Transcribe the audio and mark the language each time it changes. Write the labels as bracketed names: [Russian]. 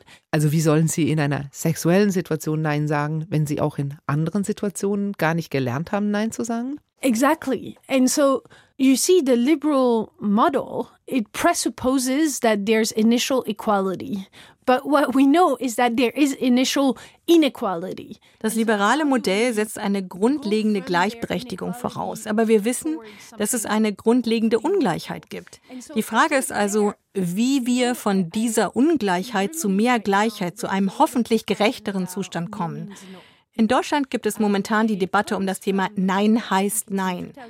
[German] Also wie sollen sie in einer sexuellen Situation Nein sagen, wenn sie auch in anderen Situationen gar nicht gelernt haben, Nein zu sagen? [English] Exactly. And so you see the liberal model, it presupposes that there's initial equality. But what we know is that there is initial inequality. [German] Das liberale Modell setzt eine grundlegende Gleichberechtigung voraus, aber wir wissen, dass es eine grundlegende Ungleichheit gibt. Die Frage ist also, wie wir von dieser Ungleichheit zu mehr Gleichheit, zu einem hoffentlich gerechteren Zustand kommen. In Deutschland gibt es momentan die Debatte um das Thema Nein heißt Nein.